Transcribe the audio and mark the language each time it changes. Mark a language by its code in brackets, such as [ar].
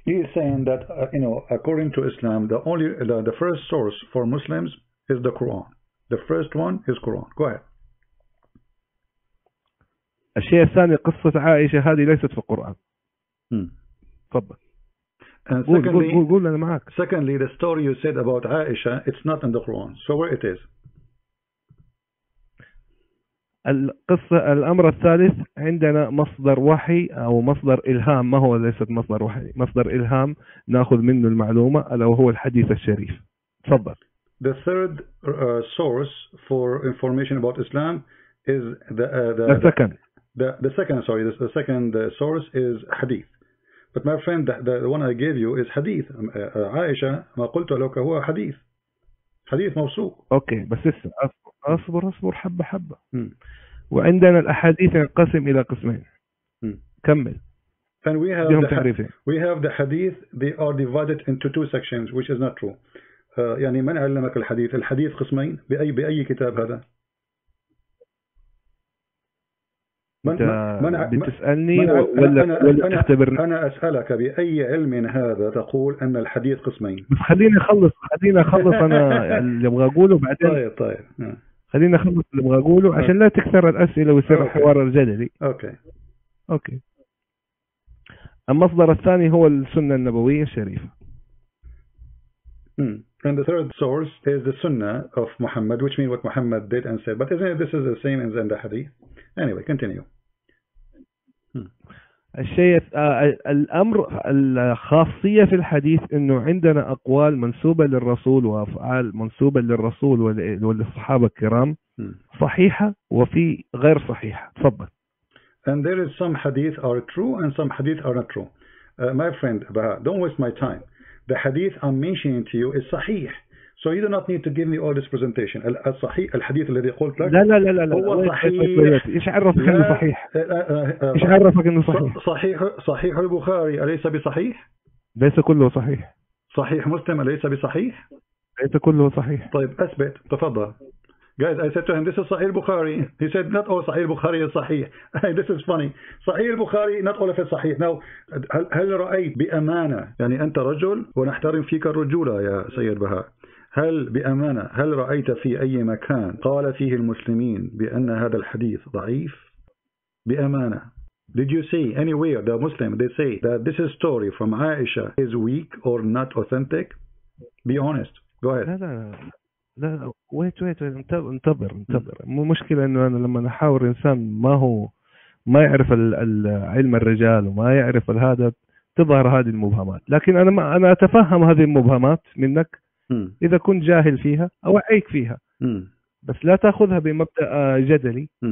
[en] He is saying that you know according to Islam the first source for Muslims is the Quran. The first one is Quran. Go ahead. [ar] الشيء الثاني قصة عائشة هذه ليست في القرآن. تفضل. قول أنا معك. [en] Secondly, the story you said about Aisha, it's not in the Quran. So where it is? [ar] القصة. الأمر الثالث، عندنا مصدر وحي أو مصدر إلهام، ما هو ليست مصدر وحي، مصدر إلهام نأخذ منه المعلومة، ألا وهو الحديث الشريف. تفضل. [en] The third source for information about Islam is the second source is hadith. But my friend, the one I gave you is hadith. [ar] Aisha, ما قلت لك هو حديث. حديث موثوق. Okay, بس أصبر حبة حبة. وعندنا الأحاديث ينقسم إلى قسمين. كمل. [en] And we have the تعريفين. We have the hadith. They are divided into two sections, which is not true. [ar] يعني من علمك الحديث؟ الحديث قسمين. بأي كتاب هذا؟ من بتسألني ولا تختبرني؟ أنا أسألك بأي علم هذا تقول أن الحديث قسمين؟ خليني أخلص أنا اللي أبغى أقوله بعدين. طيب. خليني أخلص اللي أبغى أقوله عشان لا تكثر الأسئلة ويصير حوار جدلي. أوكي. المصدر الثاني هو السنة النبوية الشريفة. [en] And the third source is the Sunnah of Muhammad, which means what Muhammad did and said. But isn't it, this is the same as in the Hadith? Anyway, continue. [ar] الشيء الأمر الخاصية في الحديث إنه عندنا أقوال منسوبة للرسول وأفعال منسوبة للرسول وللصحابة الكرام صحيحة وفي غير صحيحة. تفضل. [en] And there is some Hadith are true and some Hadith are not true. My friend, Baha, don't waste my time. The hadith I'm mentioning to you is sahih, so you do not need to give me all this presentation. [ar] الصحيح الحديث الذي قلت لك. لا لا لا لا. هو صحيح. إيش عرفك إنه صحيح؟ إيش عرفك إنه صحيح؟ صحيح البخاري أليس بصحيح؟ ليس كله صحيح. صحيح مسلم أليس بصحيح؟ ليس كله صحيح. طيب أثبت. تفضل. [en] Guys, I said to him, this is صحيح البخاري. He said, not all صحيح البخاري is صحيح. This is funny. صحيح البخاري, not all of it صحيح. [ar] Now, هل رأيت بأمانة, يعني أنت رجل ونحترم فيك الرجولة يا سيد بهاء, هل بأمانة, هل رأيت في أي مكان قال فيه المسلمين بأن هذا الحديث ضعيف؟ بأمانة. [en] Did you see anywhere the Muslim, they say that this story from Aisha is weak or not authentic? Be honest. Go ahead. [ar] لا wait انتظر مو مشكلة انه انا لما احاور انسان ما يعرف علم الرجال وما يعرف هذا تظهر هذه المبهمات, لكن انا اتفهم هذه المبهمات منك اذا كنت جاهل فيها اوعيك فيها, بس لا تاخذها بمبدأ جدلي.